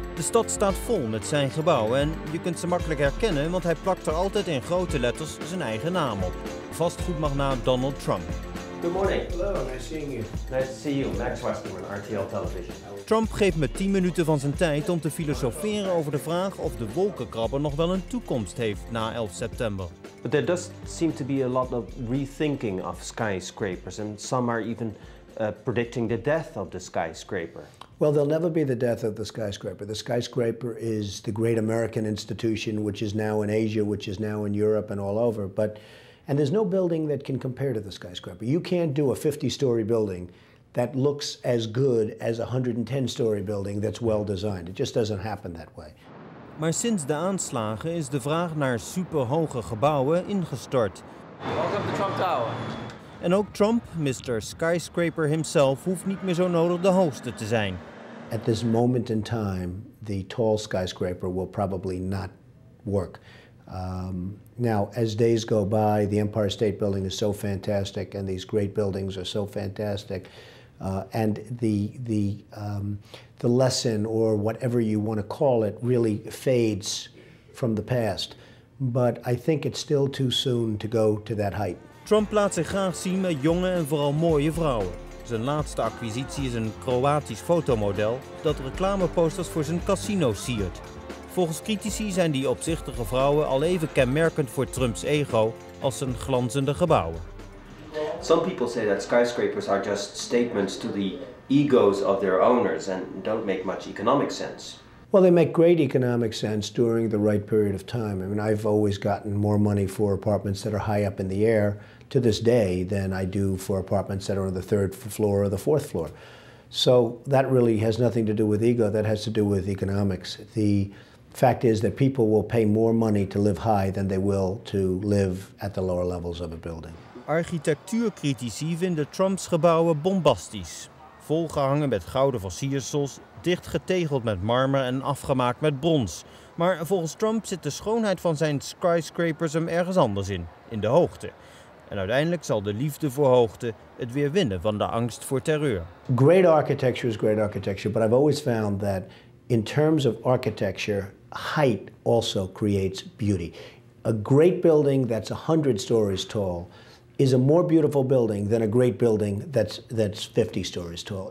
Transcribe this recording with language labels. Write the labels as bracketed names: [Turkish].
[Dutch] De stad staat vol met zijn gebouwen en je kunt ze makkelijk herkennen, want hij plakt er altijd in grote letters zijn eigen naam op. Vastgoedmagnaat Donald Trump. [English] Good morning. Hello, nice seeing you. Nice to see you. Max Westerman, RTL Television. [Dutch] Trump geeft me 10 minuten van zijn tijd om te filosoferen over de vraag of de wolkenkrabber nog wel een toekomst heeft na 11 september. [English] But there does seem to be a lot of rethinking of skyscrapers and some are even predicting the death of the skyscraper. Well, there'll never be the death of the skyscraper. The skyscraper is the great American institution which is now in Asia, which is now in Europe and all over. And there's no building that can compare to the skyscraper. You can't do a 50-story building that looks as good as a 110-story building that's well designed. It just doesn't happen that way. [Dutch] Maar sinds de aanslagen is de vraag naar superhoge gebouwen ingestort. [English] Welcome to Trump Tower. [Dutch] En ook Trump, [English] Mister Skyscraper himself, [Dutch] hoeft niet meer zo nodig de hoogste te zijn. [English] At this moment in time, the tall skyscraper will probably not work. Now, as days go by, the Empire State Building is so fantastic, and these great buildings are so fantastic. And the lesson, or whatever you want to call it, really fades from the past. But I think it's still too soon to go to that height. [Dutch] Trump laat zich graag zien met jonge en vooral mooie vrouwen. Zijn laatste acquisitie is een Kroatisch fotomodel dat reclameposters voor zijn casino siert. Volgens critici zijn die opzichtige vrouwen al even kenmerkend voor Trumps ego als zijn glanzende gebouwen. [English] Some people say that skyscrapers are just statements to the egos of their owners and don't make much economic sense. Well, they make great economic sense during the right period of time. I mean, I've always gotten more money for apartments that are high up in the air to this day than I do for apartments that are on the third floor or the fourth floor. So that really has nothing to do with ego. That has to do with economics. The fact is that people will pay more money to live high than they will to live at the lower levels of a building. [Dutch] Architectuurcritici vinden Trumps gebouwen bombastisch. Volgehangen met gouden versiersels, dicht getegeld met marmer en afgemaakt met brons. Maar volgens Trump zit de schoonheid van zijn skyscrapers hem ergens anders in de hoogte. En uiteindelijk zal de liefde voor hoogte het weer winnen van de angst voor terreur. [English] Great architecture is great architecture, but I've always found that in terms of architecture, height also creates beauty. A great building that's 100 stories tall is a more beautiful building than a great building that's 50 stories tall.